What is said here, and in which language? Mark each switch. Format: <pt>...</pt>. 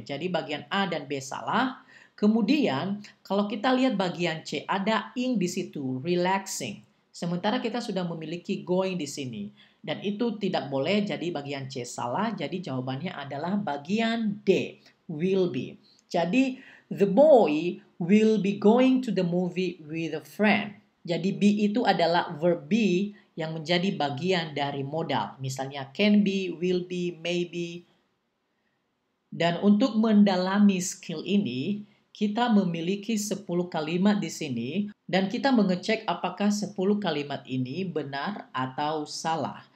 <id>Jadi bagian A dan B salah. Kemudian kalau kita lihat bagian C, ada ing di situ, relaxing. Sementara kita sudah memiliki going di sini. Dan itu tidak boleh, jadi bagian C salah. Jadi jawabannya adalah bagian D,</id> <en>will be. Jadi, the boy will be going to the movie with a friend.</en> <id>Jadi, be itu adalah verb be yang menjadi bagian dari modal. Misalnya, can be, will be, maybe. Dan untuk mendalami skill ini, kita memiliki 10 kalimat di sini dan kita mengecek apakah 10 kalimat ini benar atau salah.</id>